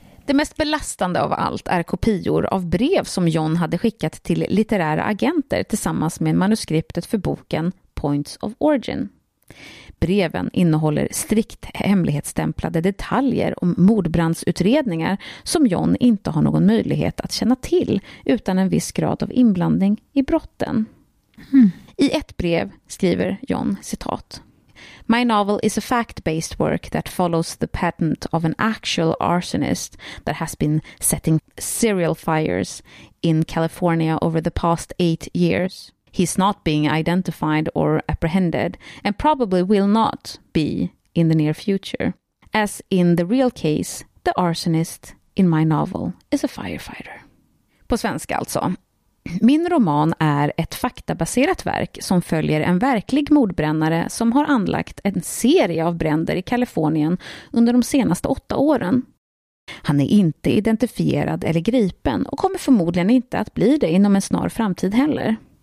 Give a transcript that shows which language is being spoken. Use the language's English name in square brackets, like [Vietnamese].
[Swedish] Det mest belastande av allt är kopior av brev som John hade skickat till litterära agenter tillsammans med manuskriptet för boken Points of Origin. Breven innehåller strikt hemlighetsstämplade detaljer om mordbrandsutredningar som John inte har någon möjlighet att känna till utan en viss grad av inblandning i brotten. Mm. I ett brev skriver John, citat: [English] "My novel is a fact-based work that follows the patent of an actual arsonist that has been setting serial fires in California over the past 8 years. He's not being identified or apprehended and probably will not be in the near future. As in the real case, the arsonist in my novel is a firefighter." [Swedish] På svenska alltså. Min roman är ett faktabaserat verk som följer en verklig mordbrännare som har anlagt en serie av bränder i Kalifornien under de senaste 8 åren. Han är inte identifierad eller gripen och kommer förmodligen inte att bli det inom en snar framtid heller.